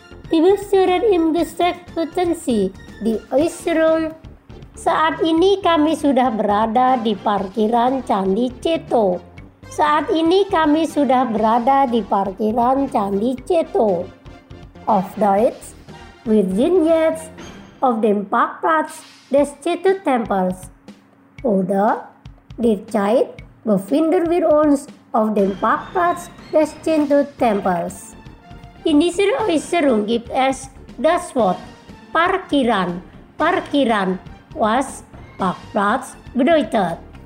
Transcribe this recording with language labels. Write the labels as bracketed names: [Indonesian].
[German] Liebe Hörer im Gespräch hören Sie die Äußerung. [Indonesian] Saat ini kami sudah berada di parkiran Candi Ceto. Saat ini kami sudah berada di parkiran Candi Ceto. [German] Auf Deutsch, wir sind jetzt auf dem Parkplatz des Ceto Tempels. Oder, derzeit befinden wir uns auf dem Parkplatz des Ceto Tempels. In dieser Äußerung gibt es das Wort Parkiran, Parkiran, was Parkplatz bedeutet.